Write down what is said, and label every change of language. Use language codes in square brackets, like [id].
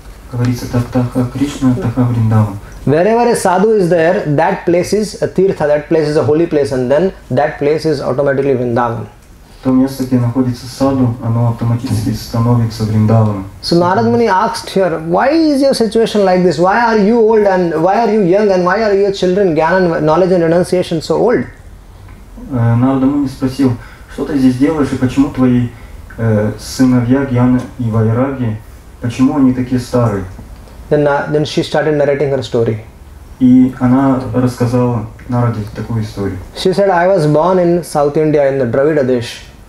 [ru] Говорится, [sa] таха кришна таха вриндаван. [en] Wherever a sadhu is there, that place is a tirtha, that place is a holy place, and then that place is automatically Vrindavan. [ru] То место, где находится саду, оно автоматически становится Вриндаваном. [en] So Narad Muni asked here, why is your situation like this? Why are you old and why are you young and why are your children gyan and knowledge and renunciation so old? [ru] Narad Muni спросил, что ты здесь делаешь и почему твои сыновья гьяны и вайраги, почему они такие старые? [en] Then she started narrating her story. [ru] И она рассказала народу такую историю. [en] She said, I was born in South India in the Dravida Desh.